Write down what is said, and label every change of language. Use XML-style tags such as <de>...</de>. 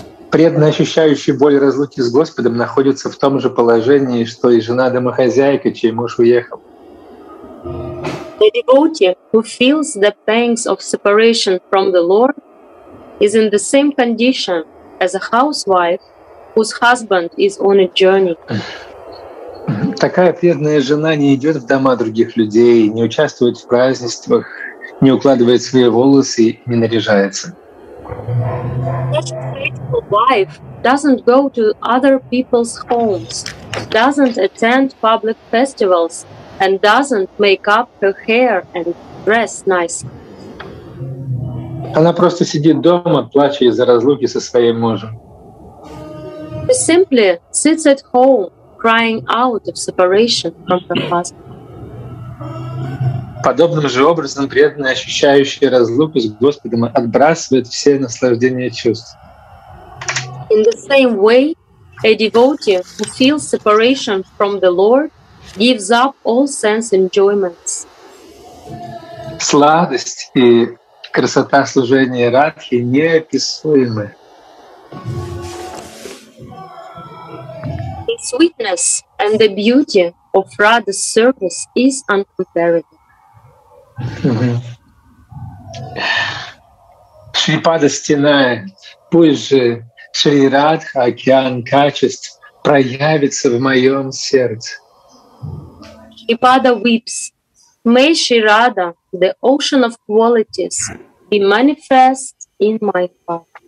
<ru>Преданный, ощущающий боль разлуки с Господом, находится в том же положении, что и жена домохозяйка, чей муж уехал.</ru> <en>The devotee who feels the pangs of separation from the Lord is in the same condition as a housewife whose husband is on a journey.</en> <ru>Такая преданная жена не идет в дома других людей, не участвует в празднествах, не укладывает свои волосы, не наряжается.</ru> <en>Such a faithful wife doesn't go to other people's homes, doesn't attend public festivals, and doesn't make up her hair and dress nicely.</en> <ru>Она просто сидит дома, плача из-за разлуки со своим мужем.</ru> <en>She simply sits at home, crying out of separation from her husband.</en> <ru>Подобным же образом преданный, ощущающий разлуку с Господом, отбрасывает все наслаждения чувств.</ru> <en>In the same way, a devotee who feels separation from the Lord gives up all sense enjoyments.</en> <ru>Сладость и красота служения Радхи неописуемы.</ru> <en>The sweetness and the beauty of Radha's service is incomparable.</en> <ru>Шрипада стенает, пусть же Шри Радха, океан качеств, проявится в моем сердце.</ru> <en>Шрипада weeps. May Shri Radha, the ocean of qualities, be manifest in my heart.</en>